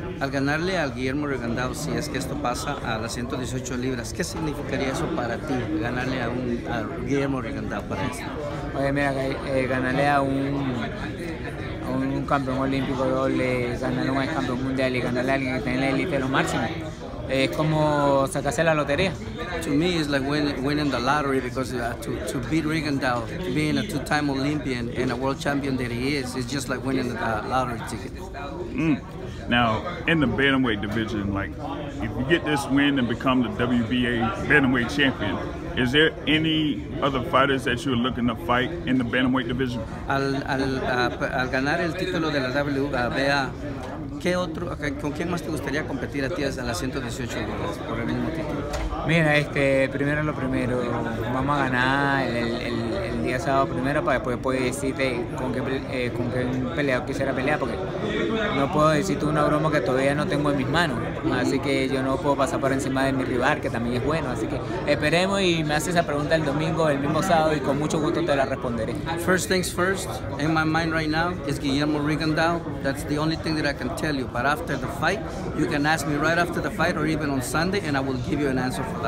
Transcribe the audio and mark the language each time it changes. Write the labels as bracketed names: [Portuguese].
[Spanish] Al ganarle al Guillermo Rigondeaux, si es que esto pasa a las 118 libras, ¿qué significaría eso para ti, ganarle a Guillermo Rigondeaux para esto? Oye, mira, ganarle a un campeón olímpico doble, ganarle a un campeón mundial y ganarle a alguien que está en la élite de los máximos. Es como sacarse la lotería. [English] To me, it's like winning the lottery because to beat Rigondeaux, being a two-time Olympian and a world champion that he is, it's just like winning the lottery ticket. Now, in the bantamweight division, like if you get this win and become the WBA bantamweight champion, is there any other fighters that you are looking to fight in the bantamweight division? [Spanish] Al ganar el título de la WBA. ¿Qué otro, con quién más te gustaría competir a ti hasta las 118 libras por el mismo título? Mira, primero lo primero, vamos a ganar el día sábado primero para después poder decirte con qué peleador quisiera pelear, porque no puedo decirte una broma que todavía no tengo en mis manos, así que yo no puedo pasar por encima de mi rival, que también es bueno, así que esperemos y me haces esa pregunta el domingo, el mismo sábado, y con mucho gusto te la responderé. [English] First things first, in my mind right now, is Guillermo Rigondeaux. That's the only thing that I can tell you, but after the fight, you can ask me right after the fight or even on Sunday, and I will give you an answer.